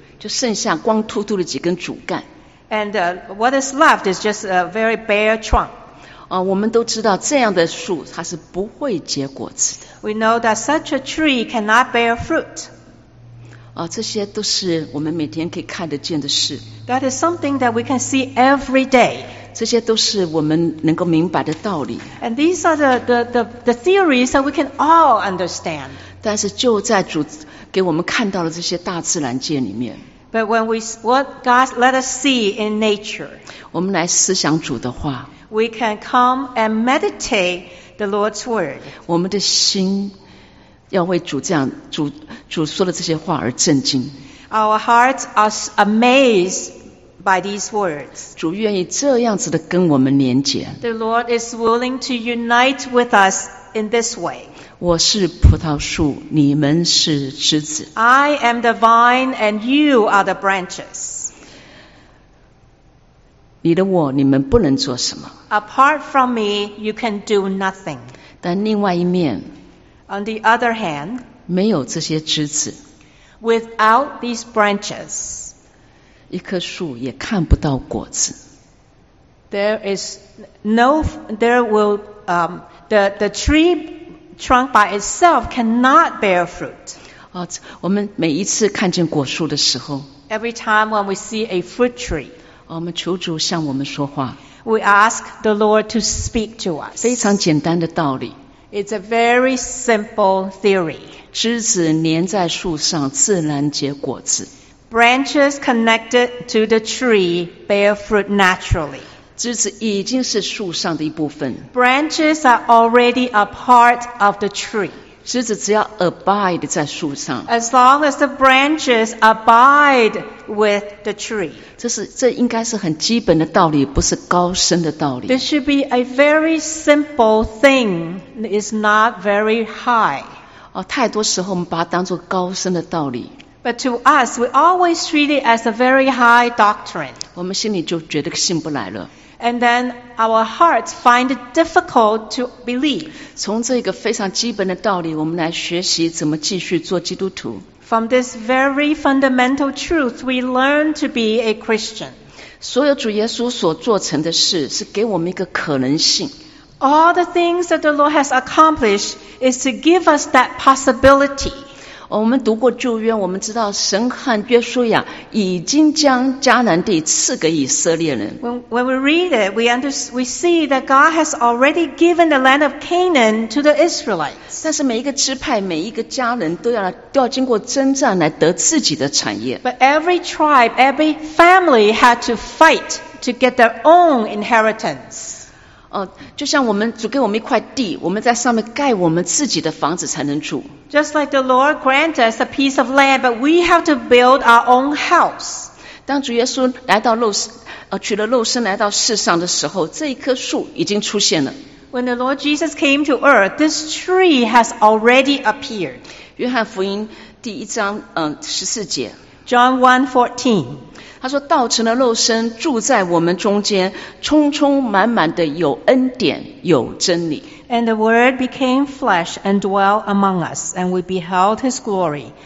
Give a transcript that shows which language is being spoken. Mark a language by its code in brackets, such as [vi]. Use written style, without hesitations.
[zh] 就剩下光秃秃的几根主干。 [en] And what is left is just a very bare trunk. [zh] 我们都知道这样的树它是不会结果子的。 [en] We know that such a tree cannot bear fruit. [zh] 这些都是我们每天可以看得见的事。 [en] That is something that we can see every day. [zh] 这些都是我们能够明白的道理。 [en] And these are the theories that we can all understand. [zh] 但是就在主给我们看到的这些大自然界里面。 [en] But when what God let us see in nature. [zh] 我们来思想主的话。 [en] We can come and meditate the Lord's word. [zh] 我们的心要为主这样主说的这些话而震惊。 [en] Our hearts are amazed by these words. [zh] 主愿意这样子的跟我们连结。 [en] The Lord is willing to unite with us in this way. [zh] 我是葡萄树，你们是枝子。 [en] I am the vine, and you are the branches. [zh] 你的我你们不能做什么。 [en] Apart from me, you can do nothing. [zh] 但另外一面 [en] On the other hand, [zh] 没有这些枝子 [en] Without these branches, [zh] 一棵树也看不到果子。 [en] The tree trunk by itself cannot bear fruit. [zh] 我们每一次看见果树的时候 [en] Every time when we see a fruit tree, [zh] 我们求主向我们说话。 [en] We ask the Lord to speak to us. [zh] 非常简单的道理。 [en] It's a very simple theory. [zh] 枝子粘在树上，自然结果子。 [en] Branches connected to the tree bear fruit naturally. [zh] 枝子已经是树上的一部分。 [en] Branches are already a part of the tree. [zh] 枝子只要 abide 在树上。 [en] As long as the branches abide with the tree. [zh] 这应该是很基本的道理，不是高深的道理。 [en] This should be a very simple thing. It's not very high. [zh] 太多时候我们把它当作高深的道理。 [en] But to us, we always treat it as a very high doctrine. [zh] 我们心里就觉得信不来了。 [en] And then our hearts find it difficult to believe. [zh] 从这个非常基本的道理，我们来学习怎么继续做基督徒。 [en] From this very fundamental truth, we learn to be a Christian. [zh] 所有主耶稣所做成的事，是给我们一个可能性。 [en] All the things that the Lord has accomplished is to give us that possibility. [zh] 我们读过旧约，我们知道神和约书亚已经将迦南地赐给以色列人。 [en] When we read it, we see that God has already given the land of Canaan to the Israelites. [zh] 但是每一个支派、每一个家人都要经过征战来得自己的产业。 [en] But every tribe, every family had to fight to get their own inheritance. [zh] 就像我们主给我们一块地，我们在上面盖我们自己的房子才能住。 [en] Just like the Lord grants us a piece of land, but we have to build our own house. [zh] 当主耶稣来到肉身，取了肉身来到世上的时候，这一棵树已经出现了。 [en] When the Lord Jesus came to earth, this tree has already appeared. [zh] 约翰福音第一章十四节。 [en] John 1:14. [zh] 他说道成了肉身住在我们中间充充满满的有恩典有真理。 [en] And the word became flesh and dwelt among us, and we beheld his glory.